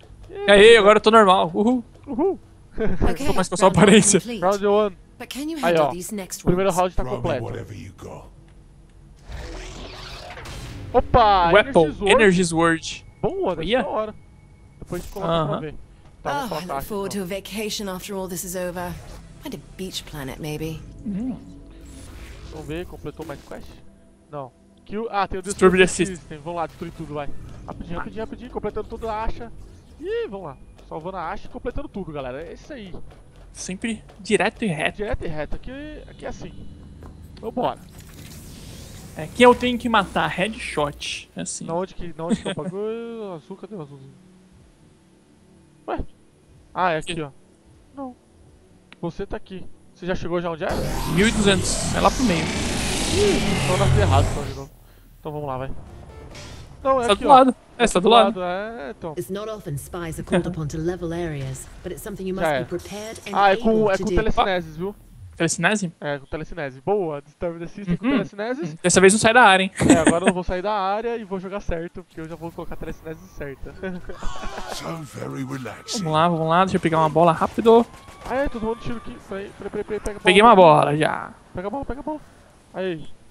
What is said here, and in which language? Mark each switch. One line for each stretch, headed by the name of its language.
Portuguese: E aí, agora eu tô normal, uhul. Okay, tô mais com a sua aparência. Round 1. Aí, ó, primeiro round tá completo. Opa,
English: Weapon, Energy Sword.
Portuguese: Boa, deixa da hora. Depois a gente coloca pra ver.
English: Tá, oh, I look forward to a vacation after all this is over. Find a beach planet, maybe.
Portuguese: Vamos ver, completou mais quest? Não. Kill. Ah, tem o
English: Disturbed System.
Portuguese: Vamos lá, destruir tudo, vai. Rapidinho, rapidinho, rapidinho, completando tudo a Asha. Ih, vamos lá. Salvando a Asha e completando tudo, galera. É isso aí. Sempre direto e reto. Direto e reto. Aqui é assim. Vambora. É, quem eu tenho que matar? Headshot. É assim. Na onde que eu pago? O azul, cadê o azulzinho? Ué? Ah, é aqui, que? Ó. Não. Você tá aqui. Você já chegou já onde é? 1200. É lá pro meio. Então nasci errado, então, de novo. Então vamos lá, vai. Não, é tá aqui, do lado. Ó. É, tá do lado. É, então.
English: It's not often spies are called upon to level areas, but it's something you must be prepared and able to do.
Portuguese: Ah, é com telecinesis, viu? Telecinese? É, com telecinese. Boa, Disturbed the System com telecinese. Dessa vez não sai da área, hein? É, agora eu não vou sair da área e vou jogar certo, porque eu já vou colocar a telecinese certa.
English: So very relaxing.
Portuguese: Vamos lá, deixa eu pegar uma bola rápido. Ah, é, todo mundo tiro aqui. Peraí, pega a bola. Peguei uma bola já. Pega a bola. Aí.